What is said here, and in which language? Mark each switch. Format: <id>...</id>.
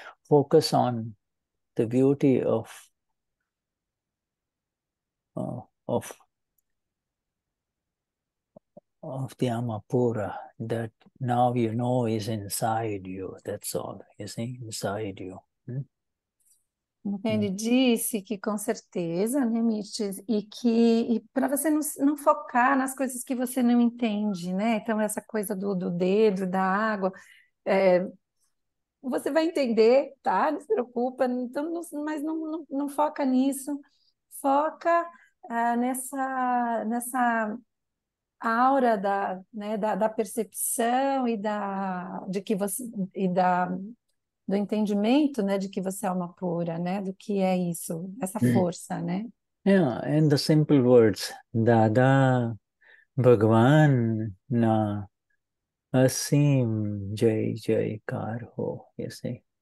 <en>Focus on the beauty of of the Amapura that now you know is inside you. That's all, you see, inside you.</en> <pt>Ele disse que com certeza, né, Mirtes, e para você não focar nas coisas que você não entende, né? Então, essa coisa do dedo, da água, você vai entender, tá? Não se preocupa, então, mas não foca nisso. Foca nessa aura da, né, da percepção e da, de que você, e da, do entendimento, né, de que você é alma pura, né, do que é isso, essa força, né?</pt> <en>Yeah, in the simple words, Dada, Bhagwan, na, asim, jai, jai, karho, you see?</en>